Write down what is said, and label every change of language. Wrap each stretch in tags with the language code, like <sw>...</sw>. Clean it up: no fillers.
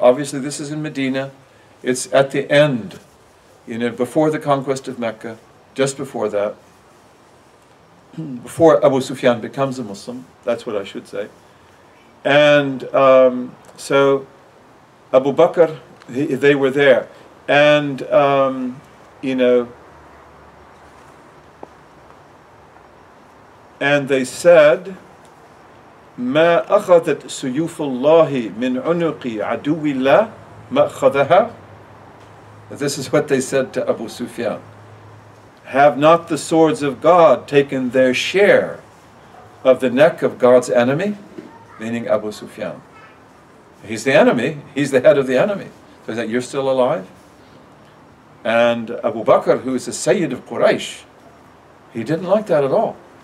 <en>Obviously, this is in Medina. It's at the end, you know, before the conquest of Mecca, just before that, before Abu Sufyan becomes a Muslim. That's what I should say. And so Abu Bakr, they were there. And, you know, and they said,</en> <ar>ما أخذت سيوف الله من عنق عدو الله ما أخذها.</ar> <en>This is what they said to Abu Sufyan. Have not the swords of God taken their share of the neck of God's enemy? Meaning Abu Sufyan. He's the enemy. He's the head of the enemy. So is that you're still alive? And Abu Bakr, who is the Sayyid of Quraysh, he didn't like that at all.</en>